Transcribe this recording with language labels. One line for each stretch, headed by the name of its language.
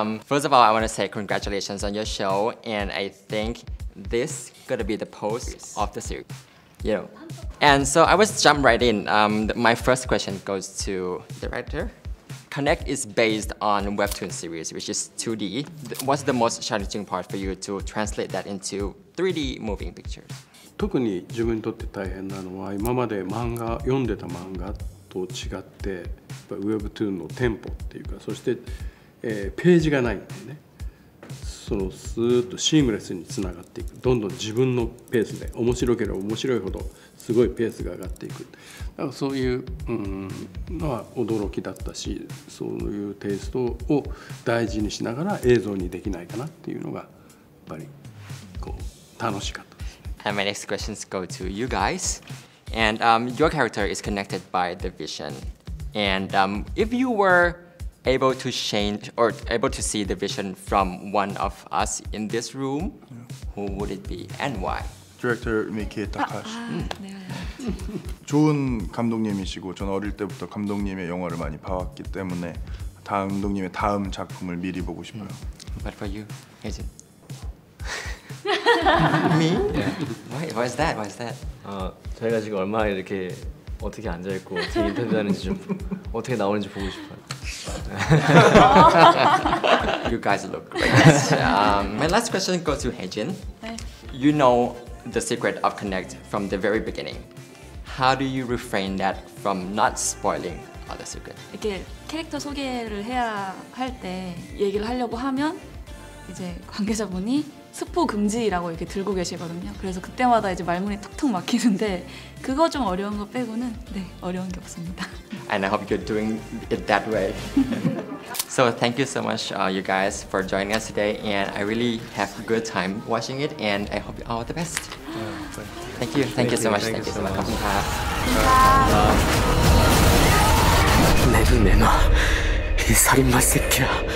English: First of all, I want to say congratulations on your show, and I think this gonna be the post of the series, you know. And so I was jump right in. My first question goes to director. Connect is based on webtoon series, which is 2D. What's the most challenging part for you to translate that into 3D moving pictures?
Japanese: 特に自分にとって大変なのは今まで漫画読んでた漫画。と違ってやっぱウェブトゥーンのテンポっていうかそして、ページがないんでねそのスーッとシームレスにつながっていくどんどん自分のペースで面白ければ面白いほどすごいペースが上がっていくだからそういう、のは驚きだったしそういうテイストを大事にしながら映像にできないかなっていうのがやっぱりこう楽しかった
English: And my next questions go to you guysAnd your character is connected by the vision. And if you were able to change or able to see the vision from one of us in this room, who would it be and why? Director Miki Takashi.
Korean: 좋은 감독님이시고 전 어릴 때부터 감독님의 영화를 많이 봐왔기 때문에 감독님의 다음 작품을 미리 보고 싶어요.
English: But for you, is it? Me? Yeah. Why is that?
Korean: 저희가 지금 얼마나 이렇게 어떻게 앉아 있고 어떻게 인터뷰하는지 좀 어떻게 나오는지 보고 싶어요.
English: You guys look great. My last question goes to Hyejin. You know the secret of Connect from the very beginning. How do you refrain that from not spoiling other secret?
Korean: 이렇게 캐릭터 소개를 해야 할 때 얘기를 하려고 하면 이제 관계자분이 스포 금지라고 이렇게 들고 계시거든요. 그래서 그때마다 이제 말문이 턱턱 막히는데 그거 좀 어려운 거 빼고는 네 어려운 게 없습니다.
English: And I hope you're doing it that way. So thank you so much, you guys, for joining us today. And I really have a good time watching it. And I hope you all the best. Thank you so much.
Korean: 감사합니다. 내 눈에 너 이 살인마 새끼야.